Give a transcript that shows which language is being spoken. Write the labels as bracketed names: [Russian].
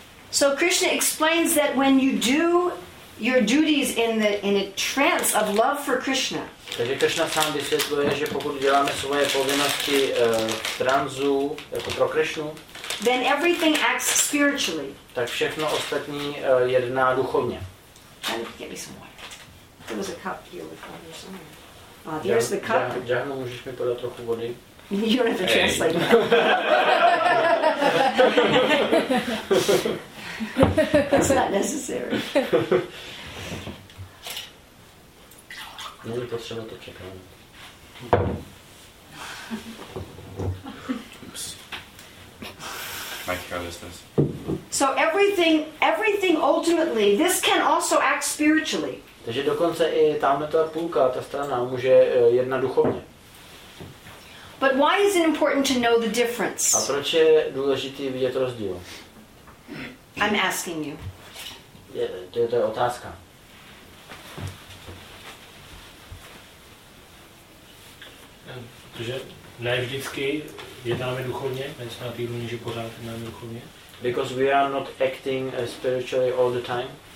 [English] So Krishna explains that when you do your duties in a trance of love for Krishna. [Czech] Takže Krishna sám vysvětluje, že pokud děláme svoje povinnosti v tranzu jako pro Krishnu, [English] then everything acts spiritually. [Czech] Tak všechno ostatní jedná duchovně. [English] There was a cup here with water somewhere. Here's the cup. [Czech] Jahnu, můžeš mi podat trochu vody? [English] You don't have to translate that. That's not necessary. No, we put some of the check on. Oops. My carelessness. So everything ultimately, this can also act spiritually. [Czech] Takže dokonce i tamhle ta půlka, ta strana může jedna duchovně. [English] But why is it important to know the difference? [Czech] A proč je důležité vidět rozdíl? [English] I'm asking you. [Czech] To je otázka. Protože ne vždycky jednáme duchovně, nejsme na týdnu, že pořád jednáme duchovně. [English] Because we are not acting spiritually all the time.